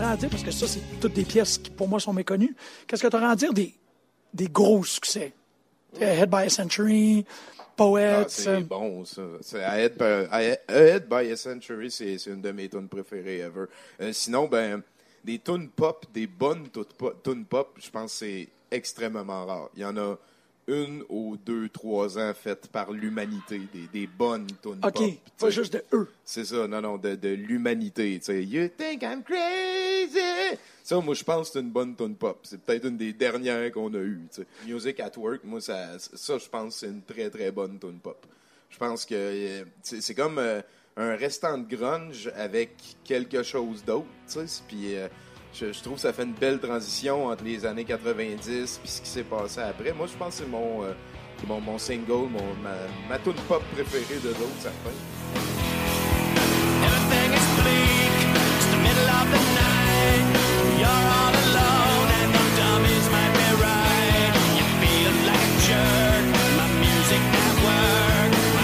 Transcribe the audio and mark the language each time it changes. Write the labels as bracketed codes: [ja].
[fr] Parce que ça, c'est toutes des pièces qui, pour moi, sont méconnues. Qu'est-ce que tu aurais à dire des gros succès? [en] Ahead by a Century, Poets... [fr] Ah, c'est bon, ça. C'est Ahead by a Century, c'est une de mes tunes préférées ever. Sinon, ben des tunes pop, des bonnes tunes pop, je pense que c'est extrêmement rare. Il y en a une ou deux, trois ans faites par l'humanité, des bonnes tunes pop. OK, pas juste de eux. C'est ça, non, de l'humanité. T'sais. [en] You think I'm crazy? [fr] Ça, moi, je pense que c'est une bonne tune pop. C'est peut-être une des dernières qu'on a eues. T'sais. Music at Work, moi, ça je pense que c'est une très, très bonne tune pop. Je pense que c'est comme un restant de grunge avec quelque chose d'autre. Puis... Je trouve que ça fait une belle transition entre les années 90 et ce qui s'est passé après. Moi, je pense que c'est mon single, ma tune pop préférée de l'autre, ça fait. [en] Everything is bleak, it's the middle of the night. You're all alone and your dummies might be right. You feel like a jerk, my music at work.